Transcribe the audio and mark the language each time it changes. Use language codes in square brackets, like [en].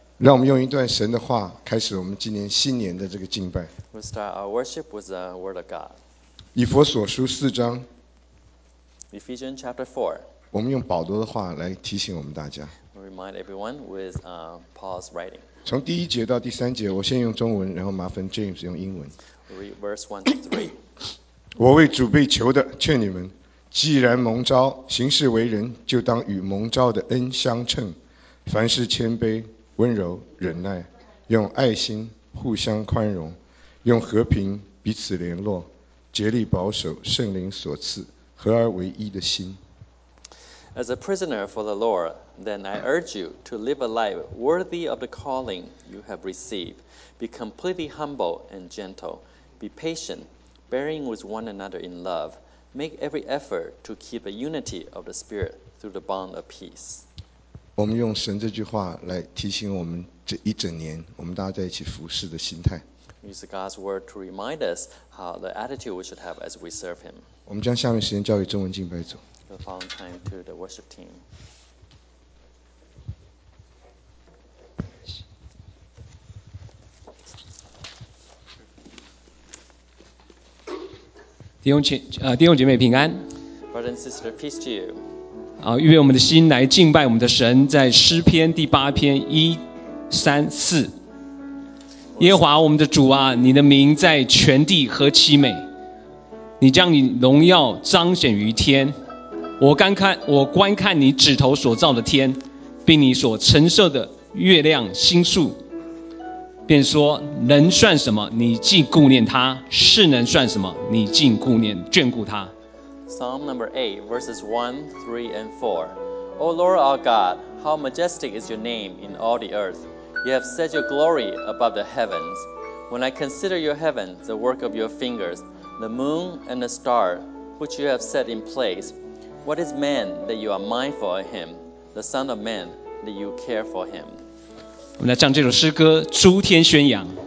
[zh] 让我们用一段神的话开始我们今年新年的这个敬拜。 [en] We'll start our worship with the word of God. [zh] 以弗所书四章。 [en] Ephesians chapter 4. [zh] 我们用保罗的话来提醒我们大家。 [en] We'll remind everyone with Paul's writing. [zh] 从第一节到第三节，我先用中文，然后麻烦 James 用英文。 [en] Read verse 1 to 3. [zh] 我为主被囚的，劝你们。既然蒙召，行事为人，就当与蒙召的恩相称。凡事谦卑、温柔、忍耐，用爱心互相宽容，用和平彼此联络，竭力保守圣灵所赐合而为一的心。 [en] As a prisoner for the Lord, then I urge you to live a life worthy of the calling you have received. Be completely humble and gentle. Be patient, bearing with one another in love. Make every effort to keep the unity of the Spirit through the bond of peace. [zh] 我们用神这句话来提醒我们这一整年我们大家在一起服事的心态。 [en] Use God's word to remind us how the attitude we should have as we serve Him. [zh] 我们将下面时间交给中文敬拜组。 [en] We'll follow time to the worship team. [zh] 弟兄姐妹平安。 [en] Brother and sister, peace to you. [zh] 预备我们的心来敬拜我们的神，在诗篇第八篇一三四。耶和华我们的主啊，你的名在全地何其美！你将你荣耀彰显于天。我观看你指头所造的天，并你所陈设的月亮星宿，便说人算什么？你竟顾念他；世人算什么？你竟眷顾他。 [en] Psalm number 8, verses 1, 3, and 4. O Lord our God, how majestic is your name in all the earth! You have set your glory above the heavens. When I consider your heaven, the work of your fingers, the moon and the star, which you have set in place, what is man that you are mindful of him, the son of man that you care for him? [zh] 我们来将这首诗歌诸天宣扬。